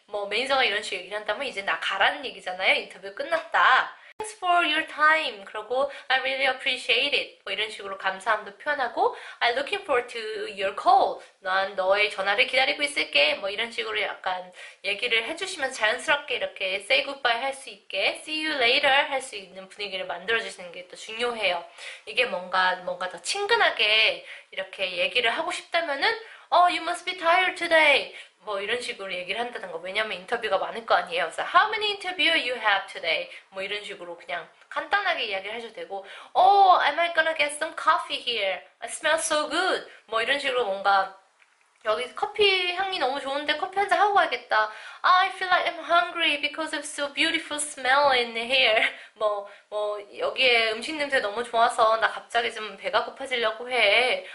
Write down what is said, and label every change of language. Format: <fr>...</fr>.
<ko>뭐 매니저가 이런 식으로 얘기한다면 이제 나 가라는 얘기잖아요. 인터뷰 끝났다.</ko> <en>Thanks for your time.</en> <ko>그러고</ko> <en>I really appreciate it.</en> <ko>뭐 이런 식으로 감사함도 표현하고</ko> <en>I'm looking forward to your call.</en> <ko>난 너의 전화를 기다리고 있을게. 뭐 이런 식으로 약간 얘기를 해주시면 자연스럽게 이렇게</ko> <en>say goodbye</en> <ko>할수 있게,</ko> <en>see you later</en> <ko>할수 있는 분위기를 만들어주시는 게또 중요해요. 이게 뭔가 더 친근하게 이렇게 얘기를 하고 싶다면은</ko> <en>you must be tired today.</en> <ko>뭐 이런 식으로 얘기를 한다는 거. 왜냐면 인터뷰가 많을 거 아니에요. 그래서</ko> <en>How many interview you have today?</en> <ko>뭐 이런 식으로 그냥 간단하게 이야기를 해줘도 되고,</ko> <en>Oh, am I gonna get some coffee here? I smell so good.</en> <ko>뭐 이런 식으로 뭔가 여기 커피 향이 너무 좋은데 커피 한잔 하고 가야겠다.</ko> <en>I feel like I'm hungry because of so beautiful smell in here.</en> <ko>뭐 여기에 음식 냄새 너무 좋아서 나 갑자기 좀 배가 고파지려고 해.</ko>